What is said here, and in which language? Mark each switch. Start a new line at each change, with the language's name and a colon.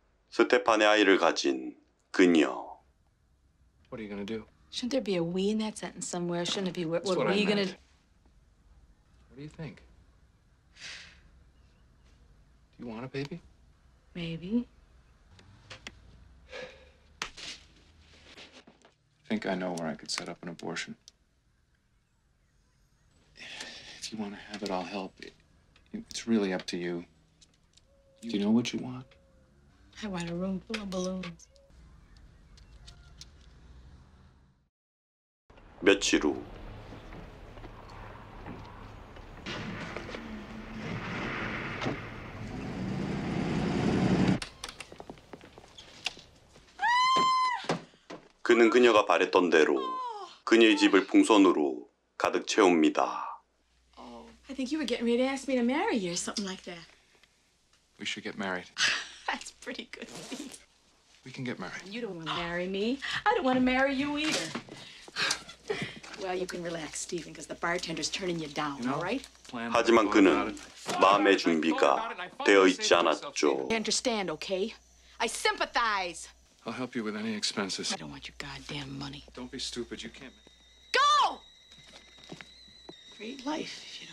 Korean: 스테판의 아이를 가진 그녀.
English: What are you gonna do? Shouldn't there be a we in that sentence somewhere? Shouldn't it be what are you gonna do? What do you think? Do you want a baby? Maybe. I think I know where I could set up an abortion. If you want to have it, I'll help. It's really up to you. Do you know what you want? I want a room full of balloons.
Korean: 며칠 후 그는 그녀가 바랬던 대로 그녀의 집을 풍선으로 가득 채웁니다.
English: I think you were getting ready to ask me to marry you or something like that. We should get married. That's pretty good. We can get married. You don't want to marry me. I don't want to marry you either. Well, you can relax, Stephen, because the bartender's turning you down, all right?
Korean: 하지만 그는 마음의 준비가 되어 있지 않았죠.
English: I understand, okay? I sympathize. I'll help you with any expenses. I don't want your goddamn money. Don't be stupid. You can't. Go! Great life.